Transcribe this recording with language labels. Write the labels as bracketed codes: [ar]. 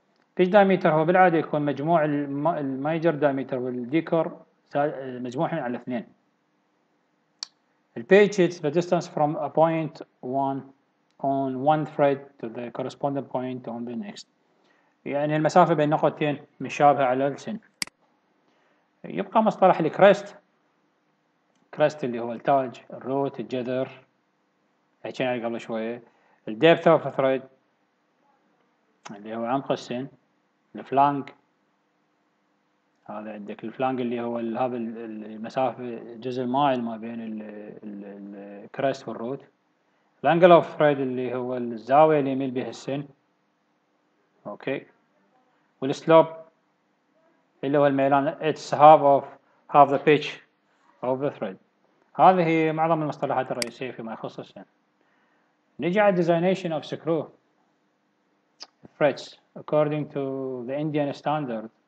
[ar] البيتش دايميتر هو بالعادة يكون مجموع الميجر دايميتر والديكور مجموعين على 2. [en] البيتش is the distance from a point one on one thread to the corresponding point on the next، [ar] يعني المسافة بين نقطتين مشابهة على السن. يبقى مصطلح الكريست، كريست اللي هو التاج، الروت، الجذر، حكينا قبل شوية، الديبث اوف ثريد اللي هو عمق السن، الفلانك، هذا عندك الفلانك اللي هو هذا المسافة جزء مايل ما بين الكريست والروت، الانجل اوف ثريد اللي هو الزاوية اللي يميل بها السن، اوكي، والسلوب اللي هو الميلان، [en] it's half of half the pitch of the thread. [ar] هذه هي معظم المصطلحات الرئيسية فيما يخص السن. نجي على [en] designation of screw threads according to the Indian standard.